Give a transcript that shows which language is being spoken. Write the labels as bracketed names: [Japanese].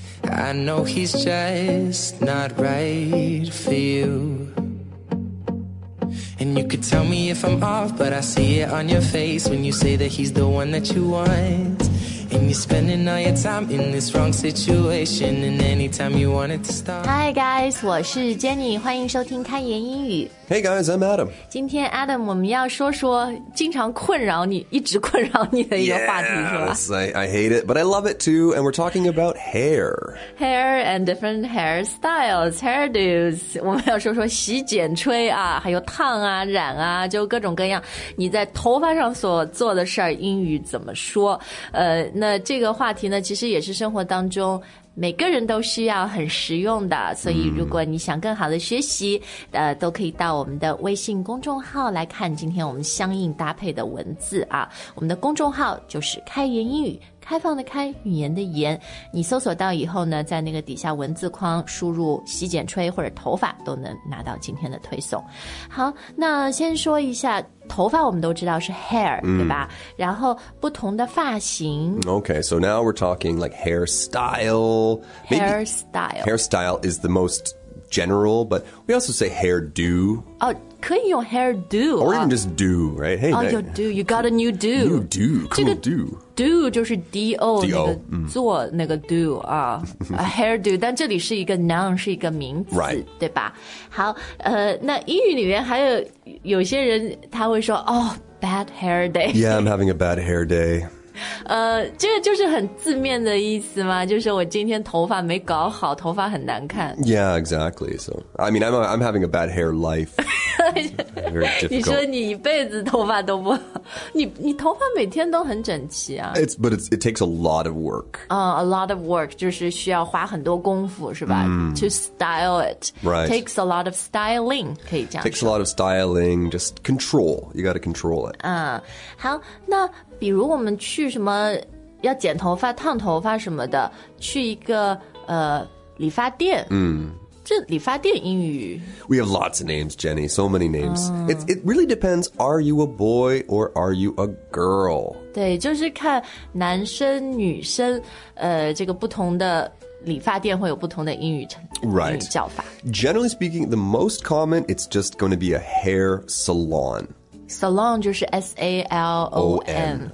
[English] I know he's just not right for you. And you could tell me if I'm off, but I see it on your face when you say that he's the one that you want. And you're spending all your time in this wrong situation, and anytime you want it to stop. Hi guys, [Chinese] 我是 Jenny, 欢迎收听开言英语。 [English] Hey guys, I'm Adam. [Chinese] 今天 Adam, 我们要说说经常困扰你，一直困扰你的一个话题，是吧？ [English] Yes, I hate it, but I love it too, and we're talking about hair. Hair and different hairstyles, hairdos. [Chinese] 我们要说说洗剪吹啊，还有烫啊、染啊，就各种各样你在头发上所做的事儿，英语怎么说？那这个话题呢，其实也是生活当中每个人都需要很实用的，所以如果你想更好的学习，都可以到我们的微信公众号来看今天我们相应搭配的文字啊。我们的公众号就是开言英语，开放的开，语言的言。你搜索到以后呢，在那个底下文字框输入洗剪吹或者头发，都能拿到今天的推送。好，那先说一下头发，我们都知道是 hair，对吧？然后不同的发型。 [English] Okay, so now we're talking like hairstyle. Hairstyle. Hairstyle is the most general, but we also say hairdo. [Chinese] Oh,可以用 hair do. [English] Or even just do, right? Hey, oh, your do. You got a new do. New do. Cool do. [Chinese] Do 就是 D-O, 那个做那个 do. [English] A hair do. [Chinese] 但这里是一个 noun, 是一个名词。 [English] Right. [Chinese] 对吧？好，那英语里面还有有些人他会说 [English] oh, bad hair day. Yeah, I'm having a bad hair day. [Chinese] 这个就是很字面的意思嘛，就是我今天头发没搞好，头发很难看。 [English] Yeah, exactly. So, I mean, I'm having a bad hair life. Very difficult. [Chinese] 你说你一辈子头发都不好，你头发每天都很整齐啊。 [English] It takes a lot of work. A lot of work, [Chinese] 就是需要花很多功夫，是吧？ [English] To style it. Right. Takes a lot of styling, [Chinese] 可以这样说。 [English] Takes a lot of styling, just control. You got to control it. [Chinese] 好，那比如我们去什么要剪头发烫头发什么的，去一个理发店，这理发店英语 [English] We have lots of names, Jenny, so many names. It really depends, are you a boy or are you a girl? [Chinese] 对，就是看男生女生，这个不同的理发店会有不同的英语叫法。 [English] Generally speaking, the most common, it's just going to be a hair salon [Chinese] Salon 就是 S-A-L-O-N,